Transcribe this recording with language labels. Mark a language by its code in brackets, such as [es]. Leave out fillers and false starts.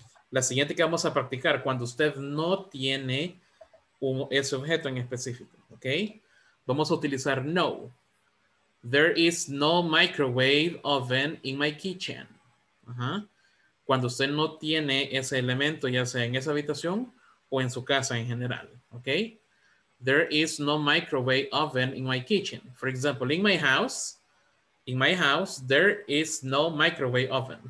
[es] La siguiente que vamos a practicar, cuando usted no tiene ese objeto en específico, ok, vamos a utilizar no. [en] There is no microwave oven in my kitchen. [es] Cuando usted no tiene ese elemento, ya sea en esa habitación o en su casa en general, ok. [en] There is no microwave oven in my kitchen. For example, in my house, there is no microwave oven.